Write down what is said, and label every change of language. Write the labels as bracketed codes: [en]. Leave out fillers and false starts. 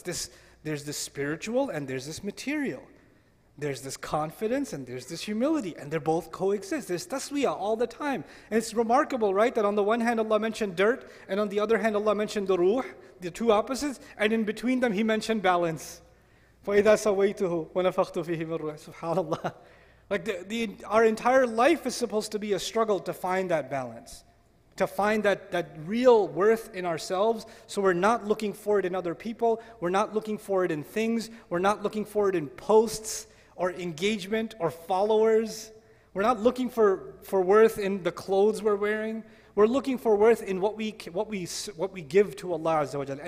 [en] There's this spiritual and there's this material. There's this confidence and there's this humility, and they're both coexist. There's taswiyah all the time. And it's remarkable, right, that on the one hand Allah mentioned dirt, and on the other hand Allah mentioned the ruh, the two opposites, and in between them He mentioned balance. [ar] فَإِذَا سَوَيْتُهُ وَنَفَخْتُ فِيهِ مِنْ رُوحِ SubhanAllah. [en] Like our entire life is supposed to be a struggle to find that balance, to find that real worth in ourselves, so we're not looking for it in other people, we're not looking for it in things, we're not looking for it in posts or engagement or followers, we're not looking for worth in the clothes we're wearing, we're looking for worth in what we give to Allah Azza wa Jal.